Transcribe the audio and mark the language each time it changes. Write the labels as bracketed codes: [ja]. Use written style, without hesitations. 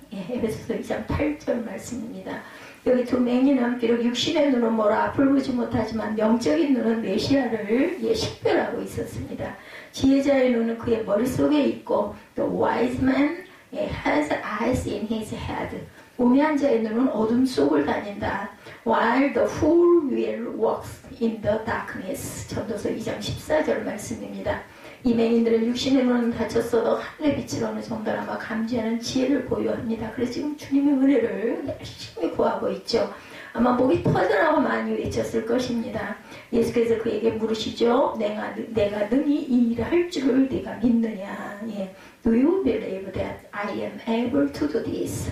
[ko] 예, 에베소서 2장 8절 말씀입니다. 여기 두 맹인은 비록 육신의 눈은 뭐라 불러보지 못하지만 영적인 눈은 메시아를 예, 식별하고 있었습니다. 지혜자의 눈은 그의 머릿속에 있고 [en] the wise man has eyes in his head. [ko] 우매한 자의 눈은 어둠 속을 다닌다. [en] While the fool will walk in the darkness. [ko] 전도서 2장 14절 말씀입니다. 이 맹인들은 육신의 눈은 닫혔어도 하늘의 빛을 어느 정도나마 감지하는 지혜를 보유합니다. 그래서 지금 주님의 은혜를 열심히 구하고 있죠. 아마 목이 터져나고 많이 외쳤을 것입니다. 예수께서 그에게 물으시죠. 내가 능히 이 일을 할 줄을 네가 믿느냐. 예. [en] Do you believe that I am able to do this?